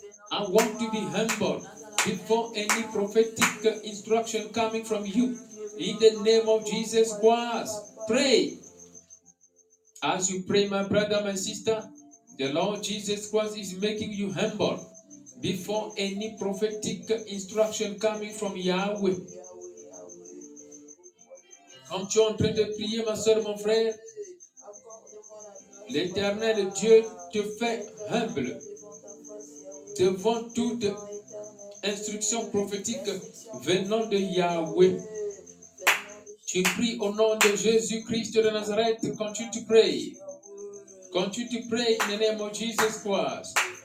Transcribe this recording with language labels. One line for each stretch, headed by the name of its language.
English: I want to be humble before any prophetic instruction coming from you. In the name of Jesus Christ, pray. As you pray, my brother, my sister, the Lord Jesus Christ is making you humble before any prophetic instruction coming from Yahweh.
French: Quand tu es en train de prier, ma soeur, mon frère, l'Éternel Dieu te fait humble devant toute instruction prophétique venant de Yahweh. Tu pries au nom de Jésus-Christ de Nazareth.
English: Continue to pray. Continue to pray in the name of Jesus Christ.